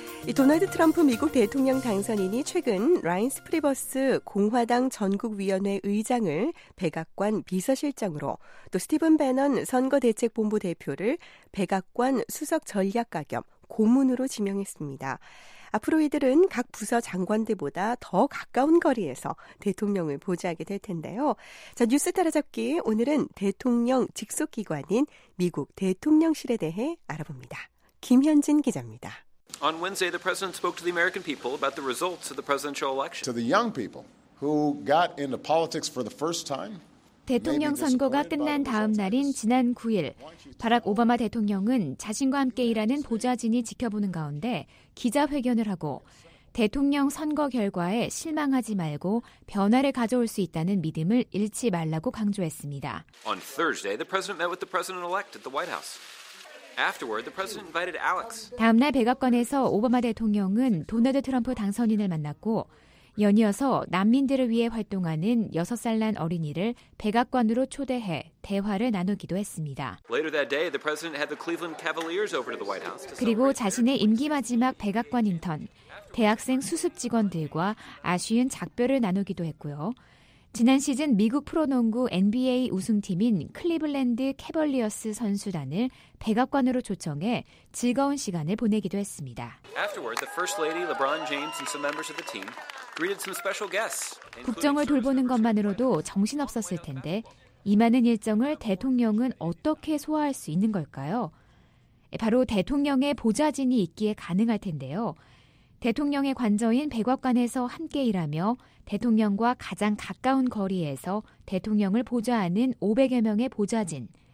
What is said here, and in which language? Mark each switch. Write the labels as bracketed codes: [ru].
[ko] 이 도널드 트럼프 미국 대통령 당선인이 최근 라인 스프리버스 공화당 전국위원회 의장을 백악관 비서실장으로 또 스티븐 배넌 선거대책본부 대표를 백악관 수석 전략가 겸 고문으로 지명했습니다. 앞으로 이들은 각 부서 장관들보다 더 가까운 거리에서 대통령을 보좌하게 될 텐데요. 자, 뉴스 따라잡기 오늘은 대통령 직속기관인 미국 대통령실에 대해 알아봅니다. 김현진 기자입니다. [en] On Wednesday, the president spoke to the American people about the results of the presidential election. To the young people who got into politics for the first time. [ko] 대통령 선거가 끝난 다음 날인 지난 9일, 바락 오바마 대통령은 자신과 함께 일하는 보좌진이 지켜보는 가운데 기자회견을 하고 대통령 선거 결과에 실망하지 말고 변화를 가져올 수 있다는 믿음을 잃지 말라고 강조했습니다. [en] On Thursday, the president met with the president-elect at the White House. Afterward, the president invited Alex. [ko] 다음 날 백악관에서 오바마 대통령은 도널드 트럼프 당선인을 만났고 연이어서 난민들을 위해 활동하는 6살 난 어린이를 백악관으로 초대해 대화를 나누기도 했습니다. 그리고 자신의 임기 마지막 백악관 인턴, 대학생 수습 직원들과 아쉬운 작별을 나누기도 했고요. 지난 시즌 미국 프로농구 NBA 우승팀인 클리블랜드 캐벌리어스 선수단을 백악관으로 초청해 즐거운 시간을 보내기도 했습니다. [en] Afterward, the First Lady, LeBron James, and some members of the team greeted some special guests. [ko] 국정을 돌보는 것만으로도 정신없었을 텐데 이 많은 일정을 대통령은 어떻게 소화할 수 있는 걸까요? 바로 대통령의 보좌진이 있기에 가능할 텐데요. 대통령의 관저인 백악관에서 함께 일하며 대통령과 가장 가까운 거리에서 대통령을 보좌하는 500여 명의 보좌진.